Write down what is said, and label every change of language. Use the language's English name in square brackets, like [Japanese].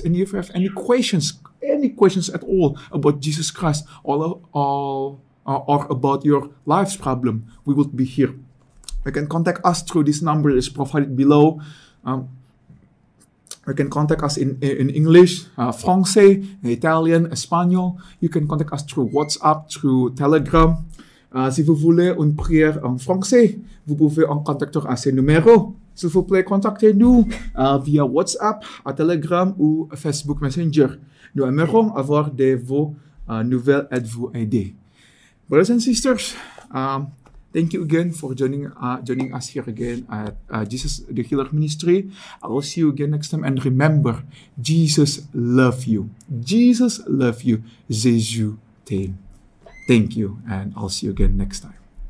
[English] And if you have any questions at all about Jesus Christ or about your life's problem, we will be here. You can contact us through this number that is provided below. You can contact us in English, Francais, Italian, Espanol. You can contact us through WhatsApp, through Telegram. [French] Si vous voulez une prière en français, vous pouvez en contacter à ces numéros. S'il vous plaît, contactez-nous via WhatsApp, à Telegram ou Facebook Messenger. Nous aimerons avoir de vos nouvelles et de vous aider. [English] Brothers and sisters, thank you again for joining us here again at Jesus the Healer Ministry. I will see you again next time. And remember, Jesus love you. Jesus love you. [French] Jésus t'aime. [English] Thank you, and I'll see you again next time.